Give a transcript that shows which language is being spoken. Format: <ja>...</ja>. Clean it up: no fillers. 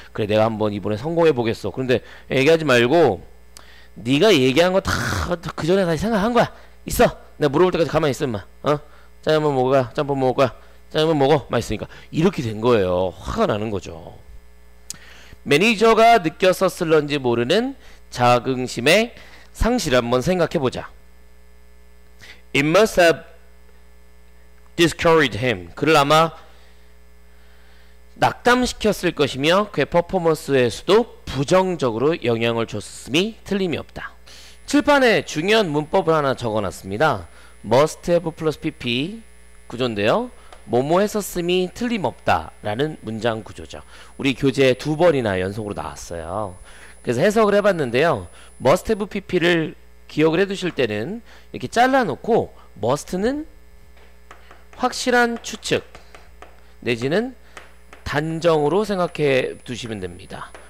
<ko>그래, 내가 한번 이번에 성공해 보겠어. 그런데 얘기하지 말고 네가 얘기한 거 다 그 전에 다시 생각한 거야. 있어. 내가 물어볼 때까지 가만히 있어 임마. 어? 짜장면 먹어가. 짬뽕 먹을 거야. 짜장면 먹어. 맛있으니까. 이렇게 된 거예요. 화가 나는 거죠. 매니저가 느꼈었을런지 모르는 자긍심의 상실을 한번 생각해 보자.</ko> <en>It must have discouraged him.</en> <ko>그를 아마 낙담시켰을 것이며 그의 퍼포먼스에서도 부정적으로 영향을 줬음이 틀림이 없다. 칠판에 중요한 문법을 하나 적어놨습니다.</ko> <en>Must have plus PP</en> <ko>구조인데요. 뭐뭐 했었음이 틀림없다 라는 문장 구조죠. 우리 교재에 두 번이나 연속으로 나왔어요. 그래서 해석을 해봤는데요. Must have PP를 기억을 해두실 때는 이렇게 잘라놓고 Must는 확실한 추측 내지는 단정으로 생각해 두시면 됩니다.</ko>